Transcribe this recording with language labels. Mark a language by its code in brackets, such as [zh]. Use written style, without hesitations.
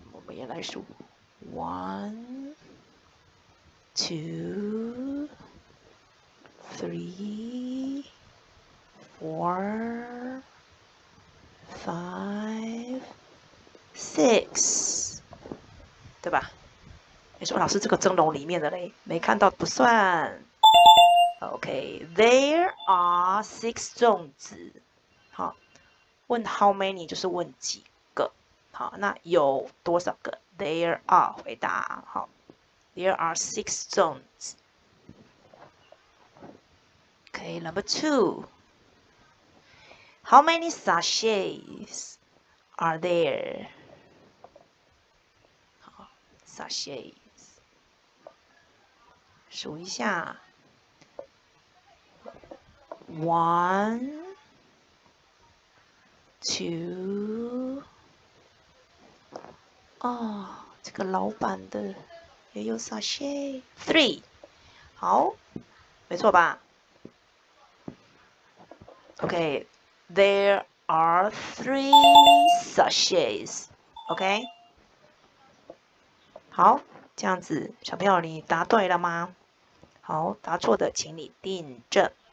[en] 也来数，one, two, three, four, five, six，对吧？ [zh] 你说老师这个蒸笼里面的嘞，没看到不算。 [en] OK, there are six 粽子。 [zh] 好，问 how many 就是问几个。好，那有多少个 ？ There are 回答。 [en] 好 ，there are six 粽子。 OK, number two. How many sachets are there? [zh] 好 ，sachets 数一下。 One, two, 哦，这个老板的也有 sachet. [en] Three, 好，没错吧？OK, there are three sachets. [zh] OK, 好，这样子，小朋友你答对了吗？好，答错的请你订正。